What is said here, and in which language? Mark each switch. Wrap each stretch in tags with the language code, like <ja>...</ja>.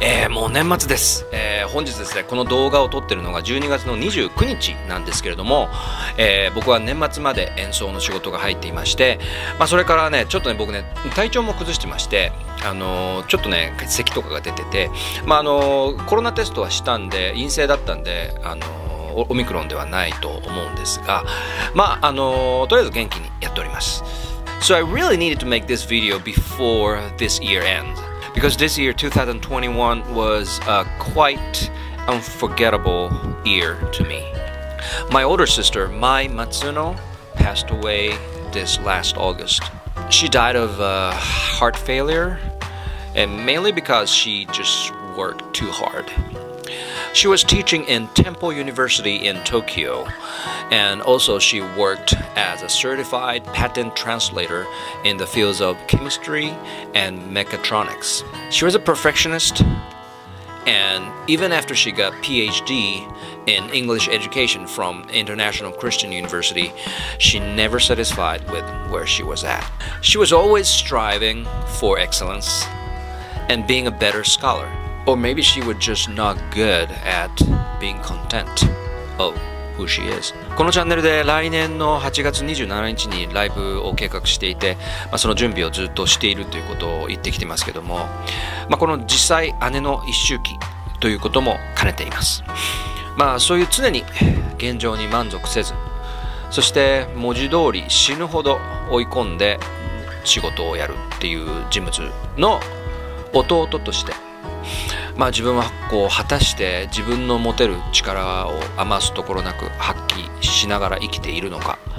<ja>もう年末です、本日ですね、この動画を撮ってるのが12月の29日なんですけれども、僕は年末まで演奏の仕事が入っていまして、まあ、それからね、ちょっとね、僕ね、体調も崩してまして、ちょっとね、咳とかが出てて、まあコロナテストはしたんで、陰性だったんで、オミクロンではないと思うんですが、まあとりあえず元気にやっております。</ja> <en>So I really needed to make this video before this year ends. Because this year, 2021, was a quite unforgettable year to me. My older sister, Mai Matsuno, passed away this last August. She died of heart failure, and mainly because she just worked too hard. She was teaching in Temple University in Tokyo, and also she worked as a certified patent translator in the fields of chemistry and mechatronics. She was a perfectionist, and even after she got a PhD in English education from International Christian University, she never satisfied with where she was at. She was always striving for excellence and being a better scholar. Or maybe she was just not good at being content of who she is.</en> <ja>このチャンネルで来年の8月27日にライブを計画していて、まあ、その準備をずっとしているということを言ってきてますけども、まあ、この実際姉の一周忌ということも兼ねています。まあそういう常に現状に満足せず、そして文字通り死ぬほど追い込んで仕事をやるっていう人物の弟として、まあ、自分はこう果たして自分の持てる力を余すところなく発揮しながら生きているのか、</ja>